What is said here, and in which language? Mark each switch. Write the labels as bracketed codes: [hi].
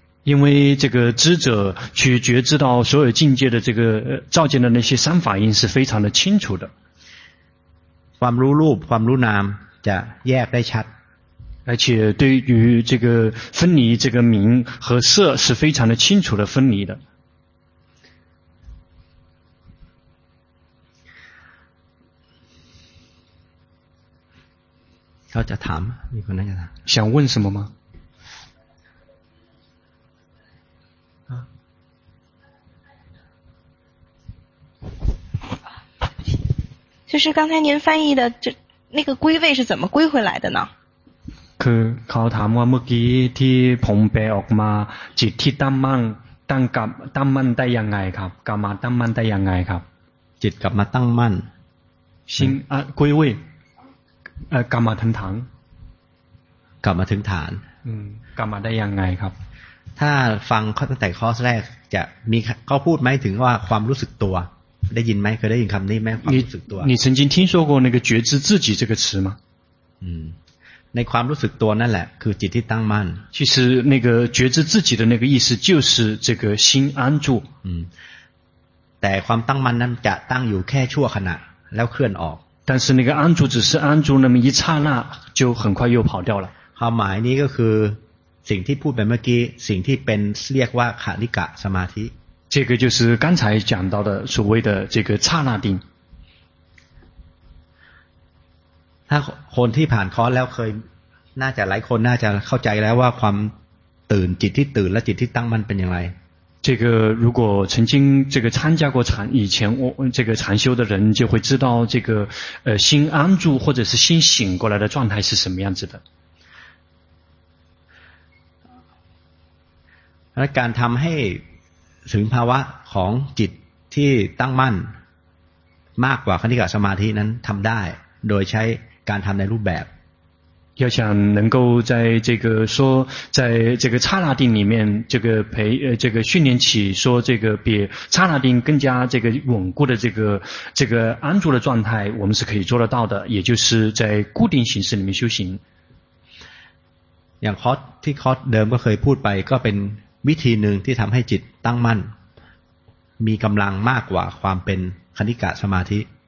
[zh] 因为这个知者去觉知到所有境界的这个照见的那些三法印是非常的清楚的 [th] ความรู้รูปความรู้นามจะแยกได้ชัด [zh] 而且对于这个分离这个名和色是非常的清楚的分离的 [th] เขาจะถามมีคนนั้นจะถาม [zh] 想问什么吗就是刚才您翻译的这那个归位是怎么归回来的呢 [th] คือเขาถามว่าเมื่อกี้ที่ผมแปลออกมาจิตที่ตั้งมั่งตั้งกับตั้งมั่นได้ยังไงครับกลับมาตั้งมั่นได้ยังไงครับ จิตกลับมาตั้งมั่น [zh] 心啊归位 [th] กลับมาถึงฐาน กลับมาถึงฐาน กลับมาได้ยังไงครับ ถ้าฟังข้อตั้งแต่ข้อแรกจะมีเขาพูดไหมถึงว่าความรู้สึกตัวได้ยินไหมเคยได้ยินคำนี้ไหมความรู้สึกตัว [zh] 你曾经听说过那个觉知自己这个词吗 [th] ในความรู้สึกตัวนั่นแหละคือจิตที่ตั้งมั่น [zh] 其实那个觉知自己的那个意思就是这个心安住 [th] แต่ความตั้งมั่นนั้นจะตั้งอยู่แค่ชั่วขณะแล้วเคลื่อนออก [zh] 但是那个安住只是安住那么一刹那就很快又跑掉了 [th] ความหมายนี้ก็คือสิ่งที่พูดไปเมื่อกี้สิ่งที่เป็นเรียกว่าขณิกะสมาธิ [zh] 这个就是刚才讲到的所谓的这个刹那定 [th] ถ้าคนที่ผ่านคอร์สแล้วเคยน่าจะหลายคนน่าจะเข้าใจแล้วว่าความตื่นจิตที่ตื่นและจิตที่ตั้งมันเป็นอย่างไร [zh] 这个如果曾经这个参加过禅以前我这个禅修的人就会知道这个心安住或者是心醒过来的状态是什么样子的 [th] และการทำให้ถึงภาวะของจิตที่ตั้งมั่นมากกว่าขณิกสมาธินั้นทำได้โดยใช้การทำในรูปแบบ [zh] 要想能够在这个说在这个刹那定里面这个培这个训练起说这个比刹那定更加这个稳固的这个安住的状态我们是可以做得到的也就是在固定形式里面修行 [th] อย่างคอร์สที่คอร์สเดิมก็เคยพูดไปก็เป็นวิธีหนึ่งที่ทำให้จิตตั้งมั่นมีกำลังมากกว่าความเป็นขณิกะสมาธิ